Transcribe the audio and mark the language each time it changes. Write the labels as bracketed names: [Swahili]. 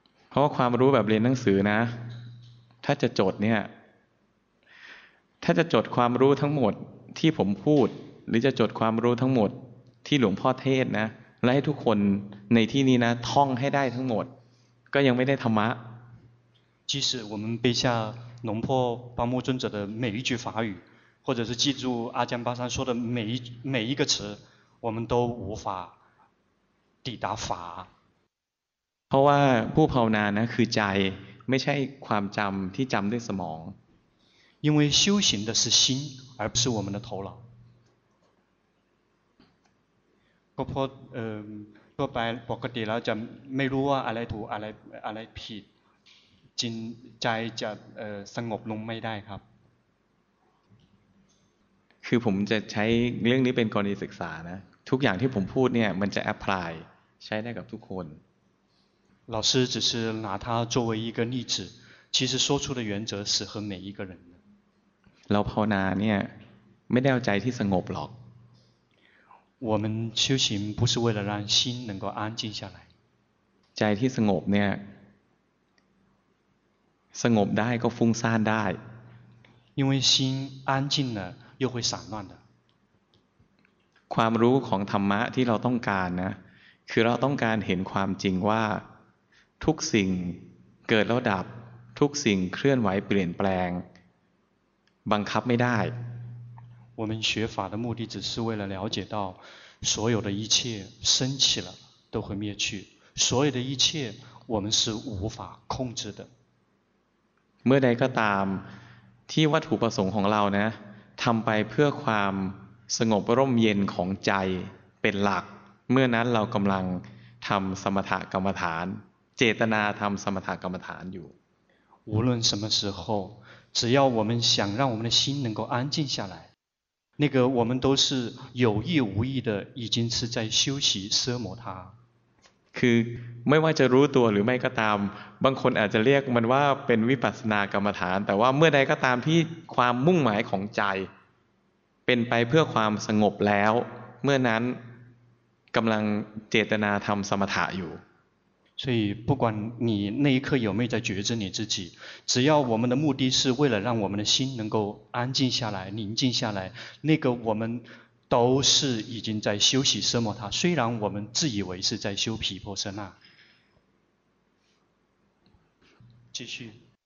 [Thai] เพราะความรู้แบบเรียนหนังสือนะถ้าจะจดเนี่ยถ้าจะจดความรู้ทั้งหมดที่ผมพูดหรือจะจดความรู้ทั้งหมดที่หลวงพ่อเทศนะและให้ทุกคนในที่นี้นะท่องให้ได้ทั้งหมดก็ยังไม่ได้ธรรมะ [Chinese] 即使我们背下龙破巴木尊者的每一句法语或者是记住阿姜巴桑说的每一个词我们都无法抵达法 [Thai] เพราะว่าผู้ภาวนานะคือใจไม่ใช่ความจำที่จำด้วยสมอง [Chinese] 因为修行的是心而不是我们的头脑 [Thai] ก็เพราะทั่วไปปกติแล้วจะไม่รู้ว่าอะไรถูกอะไรผิดจิตใจจะสงบลงไม่ได้ครับ คือผมจะใช้เรื่องนี้เป็นกรณีศึกษานะทุกอย่างที่ผมพูดเนี่ยมันจะแอพพลายใช้ได้กับทุกคน [Chinese] 老师只是拿它作为一个例子其实说出的原则适合每一个人 [Thai] เราภาวนาเนี่ยไม่ได้เอาใจที่สงบหรอก [Chinese] 我们修行不是为了让心能够安静下来 [Thai] ใจที่สงบเนี่ยสงบได้ก็ฟุ้งซ่านได้ [Chinese] 因为心安静了又会散乱的 [Thai] ความรู้ของธรรมะที่เราต้องการนะคือเราต้องการเห็นความจริงว่าทุกสิ่งเกิดแล้วดับทุกสิ่งเคลื่อนไหวเปลี่ยนแปลงบังคับไม่ได้ [Chinese] 我们学法的目的只是为了了解到所有的一切升起了都会灭去所有的一切我们是无法控制的 [Thai] เมื่อใดก็ตามที่วัตถุประสงค์ของเรานะทำไปเพื่อความสงบร่มเย็นของใจเป็นหลักเมื่อนั้นเรากำลังทำสมถกรรมฐานเจตนาทำสมถกรรมฐานอยู่ [Chinese] 无论什么时候只要我们想让我们的心能够安静下来那个我们都是有意无意的已经是在休息奢摩他 [Thai] คือไม่ว่าจะรู้ตัวหรือไม่ก็ตามบางคนอาจจะเรียกมันว่าเป็นวิปัสสนากรรมฐานแต่ว่าเมื่อใดก็ตามที่ความมุ่งหมายของใจเป็นไปเพื่อความสงบแล้วเมื่อนั้นกำลังเจตนาทำสมถะอยู่ [Chinese] 所以不管你那一刻有没有在觉知你自己只要我们的目的是为了让我们的心能够安静下来宁静下来那个我们都是已经在修习奢摩他虽然我们自以为是在修毗婆舍那继续